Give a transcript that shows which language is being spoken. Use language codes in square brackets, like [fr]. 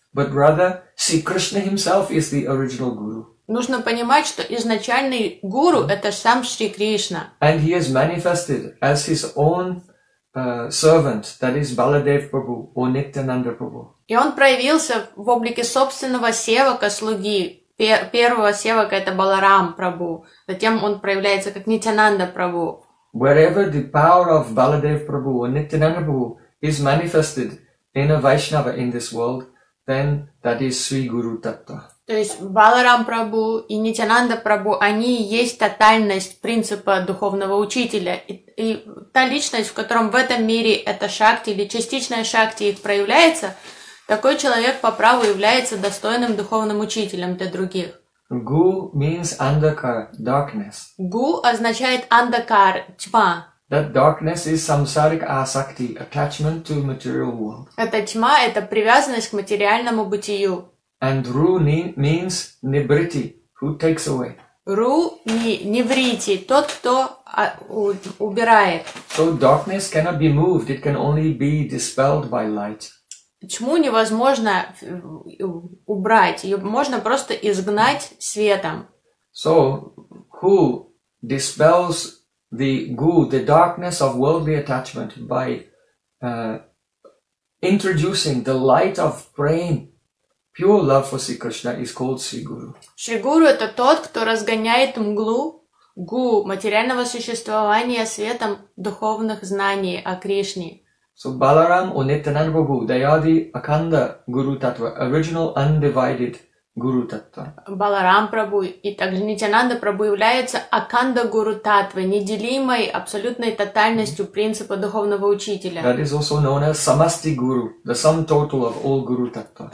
[en] But rather, Sri Krishna himself is the original guru. [ru] Нужно понимать, что изначальный гуру — это сам Шри Кришна. [en] And he has manifested as his own servant, that is Baladev Prabhu or Nityananda Prabhu. [ru] И он проявился в облике собственного севака, слуги. Первого севака — это Баларам Прабху. Затем он проявляется как Нитянанда Прабху. [en] Wherever the power of Baladev Prabhu or Nityananda Prabhu is manifested in a Vaishnava in this world, then that is Sri Guru Tattva. [ru] То есть Баларам Прабху и Нитянанда Прабху, они и есть тотальность принципа духовного учителя. И та личность, в котором в этом мире это шакти или частичная шакти их проявляется, такой человек по праву является достойным духовным учителем для других. [en] Gu means andakar, darkness. [ru] Gu означает андакар, тьма. [en] That darkness is samsaric asakti, attachment to material world. [ru] Это тьма, это привязанность к материальному бытию. [en] And ru means nibriti, who takes away. [ru] Ru nivriti, тот, кто убирает. [en] So darkness cannot be moved, it can only be dispelled by light. [ru] Тьму невозможно убрать, ее можно просто изгнать светом. [en] So, who dispels the gu, the darkness of worldly attachment, by introducing the light of praying, pure love for Sri Krishna, is called Sri Guru. [ru] Sri Guru – это тот, кто разгоняет мглу, гу, материального существования, светом духовных знаний о Кришне. [en] So Balaram or Nityananda Prabhu, they are the Akanda Guru Tattva, original undivided Guru Tattva. [ru] Balaram Prabhu и также Nityananda Prabhu являются Akanda Guru Tattva, неделимой, абсолютной тотальностью принципа духовного учителя. [en] That is also known as Samasti Guru, the sum total of all Guru Tattva.